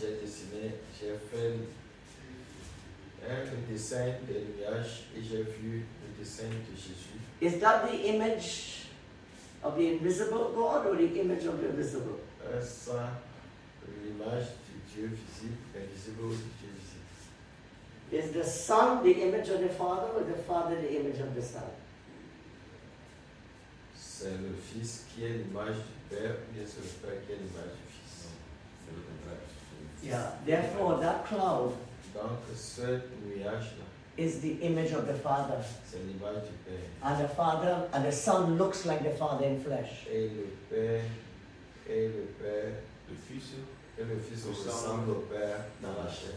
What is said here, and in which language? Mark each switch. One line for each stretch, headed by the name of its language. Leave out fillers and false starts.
French: J'ai dessiné, j'ai fait un dessin de nuages et j'ai vu le dessin de Jésus.
English: Is that the image of the invisible God or the image of the visible?
French: Est-ce ça l'image du Dieu visible, invisible ou du Dieu visible?
English: Is the Son the image of the Father or the Father the image of the Son?
French: C'est le Fils qui est l'image du Père, bien sûr, le Père qui est l'image du Fils. C'est le contraire.
English: Yeah, therefore that cloud.
French: Donc ce nuage là.
English: Is the image of the Father.
French: C'est l'image du Père.
English: And the Father and the Son looks like the Father in flesh.
French: Et le Père, le Fils, et le Fils ressemble au Père dans la chair.